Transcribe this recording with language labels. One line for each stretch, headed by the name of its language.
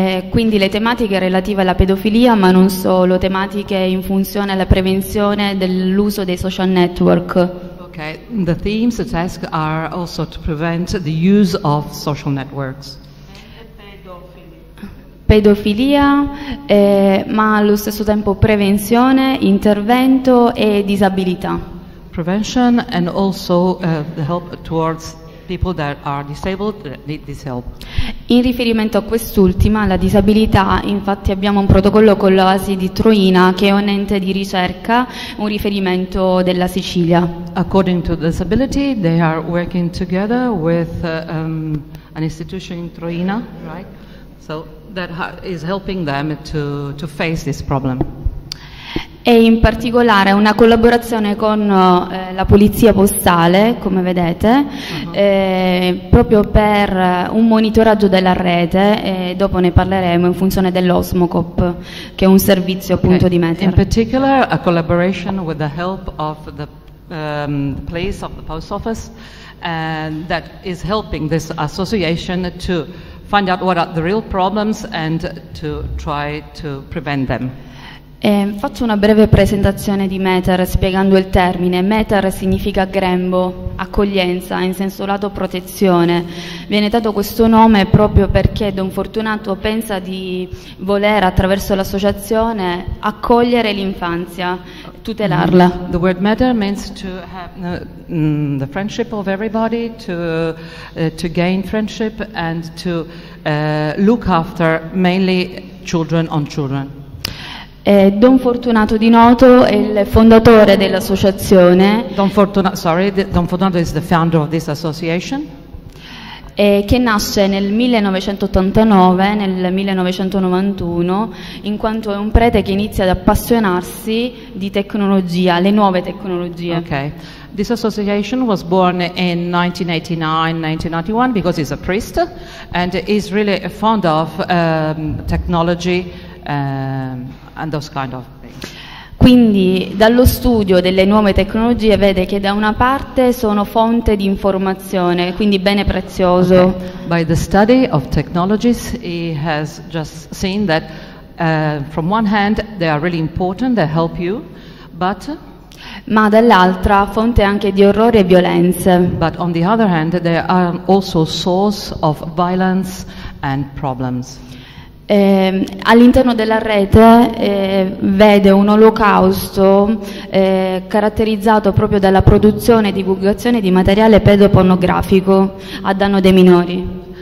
Italian: Quindi le tematiche relative alla pedofilia, ma non solo, tematiche in funzione alla prevenzione dell'uso dei social network.
English: Okay, the themes, the tasks are also to prevent the use of social networks.
Italian: Pedofilia, ma allo stesso tempo prevenzione, intervento e disabilità.
English: Prevention and also the help towards people that are disabled that need this help.
Italian: In riferimento a quest'ultima, la disabilità, infatti abbiamo un protocollo con l'OASI di Troina, che è un ente di ricerca, un riferimento della Sicilia.
English: According to disability, they are working together with an institution in Troina, right? So that is helping them to face this problem.
Italian: E in particolare una collaborazione con la polizia postale, come vedete, proprio per un monitoraggio della rete, e dopo ne parleremo in funzione dell'OSMOCOP, che è un servizio appunto di METER.
English: In particular, a collaboration with the help of the place of the post office, and that is helping this association to find out what are the real problems and to try to prevent them.
Italian: Faccio una breve presentazione di METER spiegando il termine. METER significa grembo, accoglienza, in senso lato protezione. Viene dato questo nome proprio perché Don Fortunato pensa di voler, attraverso l'associazione, accogliere l'infanzia, tutelarla.
English: The word METER means to have the friendship of everybody, to gain friendship and to look after mainly children on children.
Italian: Don Fortunato di Noto è il fondatore dell'associazione.
English: Don Fortunato is the founder of this association.
Italian: Che nasce nel 1989, nel 1991, in quanto è un prete che inizia ad appassionarsi di tecnologia, le nuove tecnologie.
English: Okay. This association was born in 1989-1991 because he's a priest and is really fond of technology. And those kind of things.
Italian: Quindi dallo studio delle nuove tecnologie vede che da una parte sono fonte di informazione, quindi bene prezioso.
English: Okay. By the study of technologies he has just seen that from one hand they are really important, they help you, but
Italian: ma dall'altra fonte anche di orrore e violenze.
English: But on the other hand they are also source of violence and problems.
Italian: All'interno della rete vede un olocausto caratterizzato proprio dalla produzione e divulgazione di materiale pedopornografico a danno dei minori.